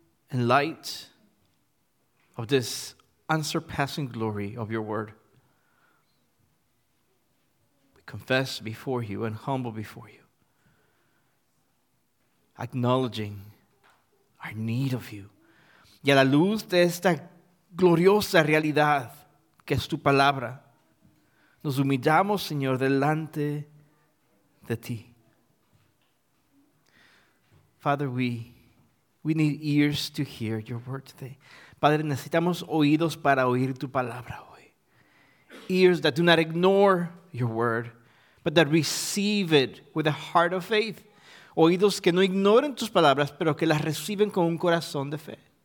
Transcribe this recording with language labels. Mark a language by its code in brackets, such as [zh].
[en] In light of this unsurpassing glory of your word, we confess before you and humble before you, acknowledging our need of you. [es] Y a la luz de esta gloriosa realidad que es tu palabra, nos humillamos, Señor, delante de ti. [en] Father, we need ears to hear your word today. [es] Padre, necesitamos oídos para oír tu palabra hoy. [en] Ears that do not ignore your word, but that receive it with a heart of faith. [es] Oídos que no ignoren tus palabras, pero que las reciben con un corazón de fe.